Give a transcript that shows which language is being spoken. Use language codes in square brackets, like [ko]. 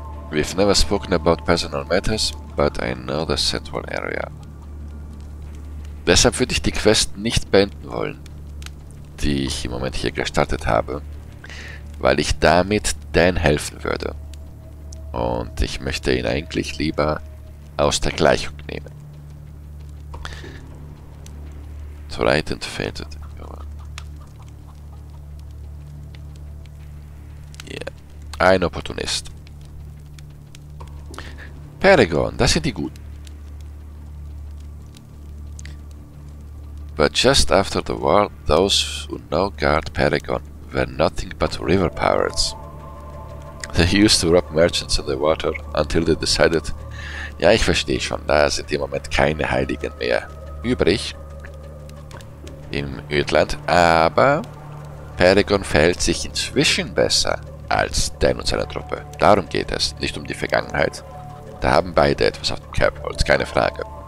[en] We've never spoken about personal matters, but I know the central area. [de] Deshalb würde ich die Quest nicht beenden wollen, die ich im Moment hier gestartet habe, weil ich damit Dan helfen würde. Und ich möchte ihn eigentlich lieber aus der Gleichung nehmen. [en] Tried and failed. [de] Yeah. Ein Opportunist. Peregon, das sind die Guten. [en] But just after the war, those who now guard Peregon were nothing but river pirates. They used to rob merchants in the water until they decided... [de] Ja, ich verstehe schon, da sind im Moment keine Heiligen mehr übrig im Ödland, aber Peregon verhält sich inzwischen besser als Dan und seine Truppe. Darum geht es, nicht um die Vergangenheit. Da haben beide etwas auf dem Kerbholz, keine Frage.